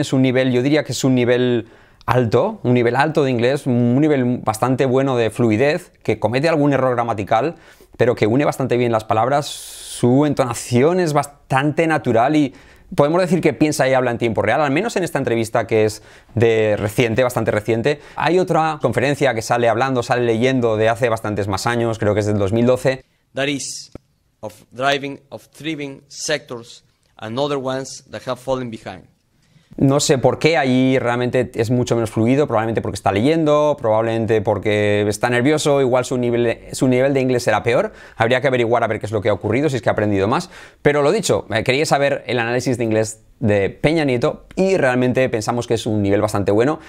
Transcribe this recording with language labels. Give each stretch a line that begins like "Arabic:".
Spanish: Es un nivel, yo diría que es un nivel alto de inglés, un nivel bastante bueno de fluidez, que comete algún error gramatical, pero que une bastante bien las palabras. Su entonación es bastante natural y podemos decir que piensa y habla en tiempo real, al menos en esta entrevista que es bastante reciente. Hay otra conferencia que sale hablando, sale leyendo de hace bastantes más años, creo que es del 2012.
English: That is of driving, of thriving sectors and other ones that have fallen behind.
Spanish: No sé por qué allí realmente es mucho menos fluido, probablemente porque está leyendo, probablemente porque está nervioso, igual su nivel de inglés será peor. Habría que averiguar a ver qué es lo que ha ocurrido, si es que ha aprendido más. Pero lo dicho, quería saber el análisis de inglés de Peña Nieto y realmente pensamos que es un nivel bastante bueno.